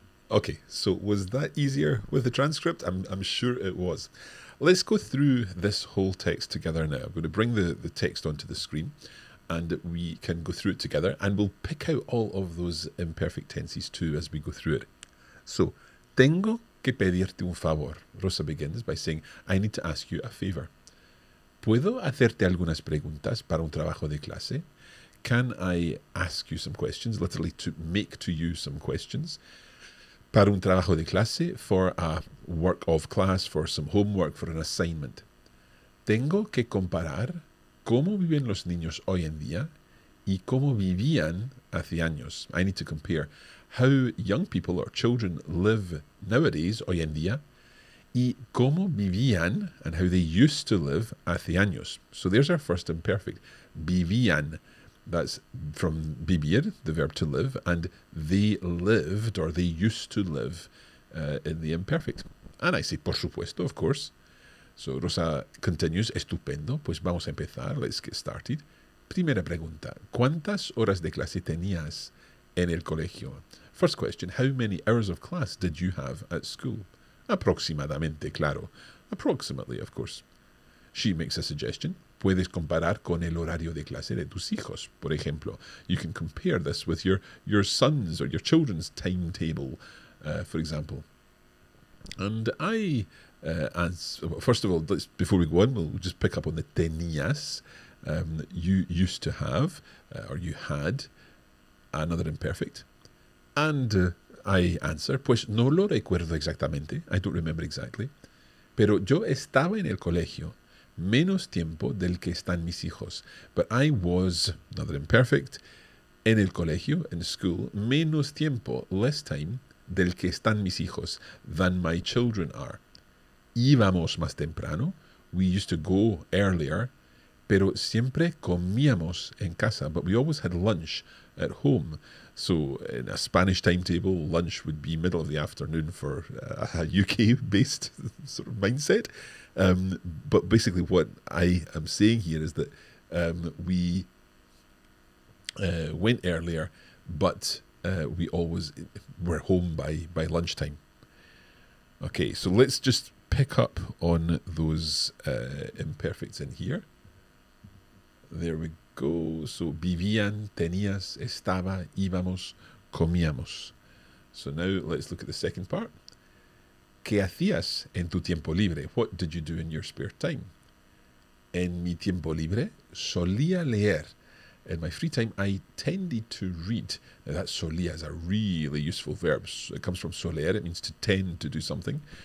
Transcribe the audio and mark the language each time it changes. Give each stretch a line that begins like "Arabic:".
English: Okay, so was that easier with the transcript? I'm sure it was. Let's go through this whole text together now. I'm going to bring the text onto the screen and we can go through it together and we'll pick out all of those imperfect tenses too as we go through it.
Spanish: So, tengo que pedirte un favor.
English: Rosa begins by saying, I need to ask you a favor.
Spanish: ¿Puedo hacerte algunas preguntas para un trabajo de clase?
English: Can I ask you some questions, literally to make to you some questions?
Spanish: Para un trabajo de clase,
English: for a work of class, for some homework, for an assignment.
Spanish: Tengo que comparar cómo viven los niños hoy en día y cómo vivían hace años.
English: I need to compare how young people or children live nowadays,
Spanish: hoy en día, y cómo vivían
English: and how they used to live
Spanish: hace años.
English: So there's our first imperfect. Vivían. That's from vivir, the verb to live, and they lived or they used to live in the imperfect. And I say,
Spanish: por supuesto,
English: of course. So Rosa continues,
Spanish: estupendo, pues vamos a empezar,
English: let's get started.
Spanish: Primera pregunta, ¿cuántas horas de clase tenías en el colegio?
English: First question, how many hours of class did you have at school?
Spanish: Aproximadamente, claro.
English: Approximately, of course. She makes a suggestion.
Spanish: Puedes comparar con el horario de clase de tus hijos, por ejemplo.
English: You can compare this with your son's or your children's timetable, for example. And I, first of all, let's, before we go on, we'll just pick up on the tenías. You used to have, or you had, another imperfect. And I answer,
Spanish: pues no lo recuerdo exactamente.
English: I don't remember exactly.
Spanish: Pero yo estaba en el colegio. Menos tiempo del que están mis hijos.
English: But I was, another imperfect,
Spanish: en el colegio,
English: in school,
Spanish: menos tiempo,
English: less time,
Spanish: del que están mis hijos,
English: than my children are.
Spanish: Íbamos más temprano,
English: we used to go earlier,
Spanish: pero siempre comíamos en casa,
English: but we always had lunch at home. So in a Spanish timetable, lunch would be middle of the afternoon for a UK-based sort of mindset. But basically what I am saying here is that we went earlier, but we always were home by lunchtime. Okay, so let's just pick up on those imperfects in here. There we go.
Spanish: So vivían, tenías, estaba, íbamos, comíamos.
English: So now let's look at the second part.
Spanish: ¿Qué hacías en tu tiempo libre?
English: What did you do in your spare time?
Spanish: En mi tiempo libre, solía leer.
English: In my free time, I tended to read. Now that solía is a really useful verb. It comes from soler. It means to tend to do something.